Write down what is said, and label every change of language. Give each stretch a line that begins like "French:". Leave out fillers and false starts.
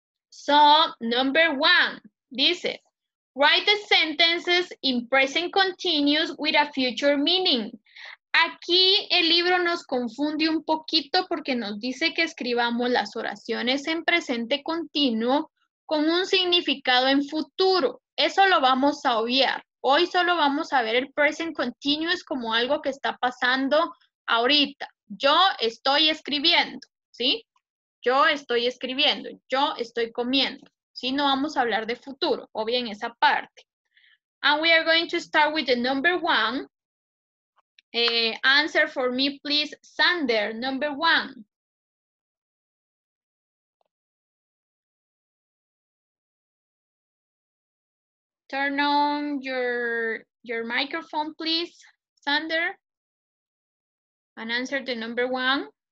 English: So, number one,
Spanish: dice,
English: write the sentences in present continuous with a future meaning.
Spanish: Aquí el libro nos confunde un poquito porque nos dice que escribamos las oraciones en presente continuo con un significado en futuro. Eso lo vamos a obviar. Hoy solo vamos a ver el present continuous como algo que está pasando ahorita. Yo estoy escribiendo, ¿sí? Yo estoy escribiendo, yo estoy comiendo. ¿Sí? No vamos a hablar de futuro, o bien esa parte.
English: And we are going to start with the number one. Answer for me, please, Sander, number one. Turn on your microphone, please, Sander, and answer the number one.